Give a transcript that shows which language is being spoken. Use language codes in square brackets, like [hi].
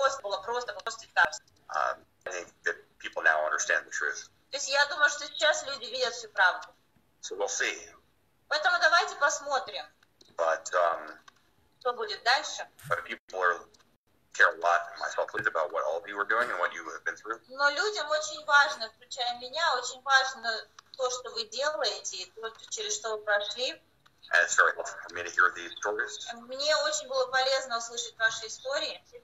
[en] I think that people now understand the truth. [ru] То есть я думаю, что сейчас люди видят всю правду. [en] So we'll see. [ru] Поэтому давайте посмотрим. [en] But, [ru] что будет дальше? [en] But people care a lot, myself, about what all of you are doing and what you have been through. [ru] Но людям очень важно, включая меня, очень важно то, что вы делаете, то, через что вы прошли. [en] And it's very helpful for me to hear these stories. [ru] Мне очень было полезно услышать ваши истории.